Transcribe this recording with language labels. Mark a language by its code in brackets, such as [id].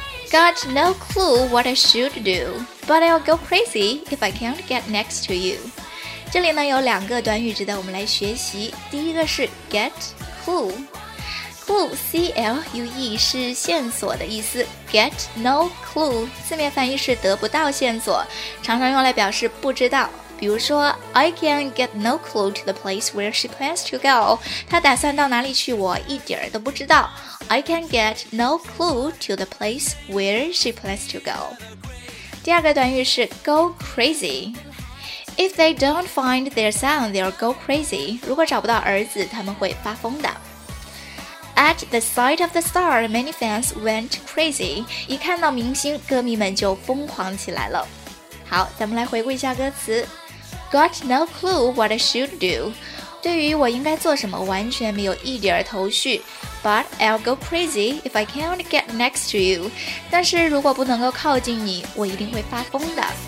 [en] Got no clue what I should do, but I'll go crazy if I can't get next to you. [zh] 这里呢有两个短语值得我们来学习。第一个是 get clue， clue C L U E 是线索的意思。 Get no clue 字面翻译是得不到线索，常常用来表示不知道。比如说 [en] ，I can get no clue to the place where she plans to go。 [zh] 她打算到哪里去，我一点儿都不知道。 [en] I can get no clue to the place where she plans to go。 [zh] 第二个短语是 go crazy。 [en] If they don't find their son, they'll go crazy. [zh] 如果找不到儿子，他们会发疯的。 [en] At the sight of the star, many fans went crazy. [zh] 一看到明星，歌迷们就疯狂起来了。好，咱们来回顾一下歌词。 [en] Got no clue what I should do. [zh] 对于我应该做什么，完全没有一点头绪。 [en] But I'll go crazy if I can't get next to you. [zh] 但是如果不能够靠近你，我一定会发疯的。